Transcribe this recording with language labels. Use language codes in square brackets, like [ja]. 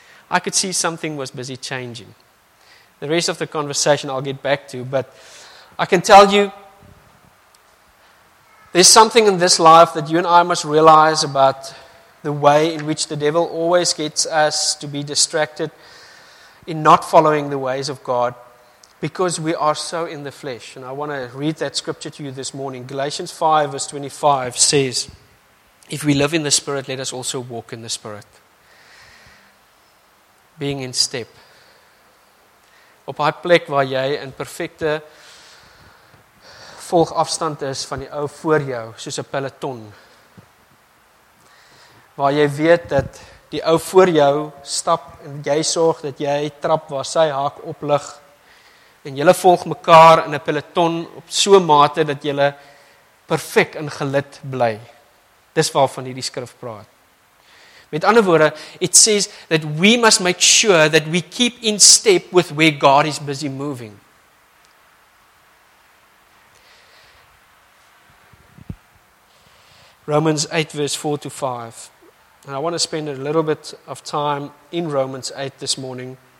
[en] I could see something was busy changing. The rest of the conversation I'll get back to, but I can tell you there's something in this life that you and I must realize about the way in which the devil always gets us to be distracted in not following the ways of God, because we are so in the flesh. And I want to read that scripture to you this morning. Galatians 5 verse 25 says, "If we live in the Spirit, let us also walk in the Spirit." Being in step. [af] Op haar plek waar jy in perfecte volgafstand is van die ou voor jou, soos 'n peloton. Waar jy weet dat die ou voor jou stap en jy sorg dat jy trap waar sy haak oplig en jylle volg mekaar in 'n peloton op so mate dat jylle perfect in gelid bly. Dis waarvan hierdie skrif praat. Met ander woorde, [en] it says that we must make sure that we keep in step with where God is busy moving. Romans 8 verse 4 to 5. And I want to spend a little bit of time in Romans 8 this morning.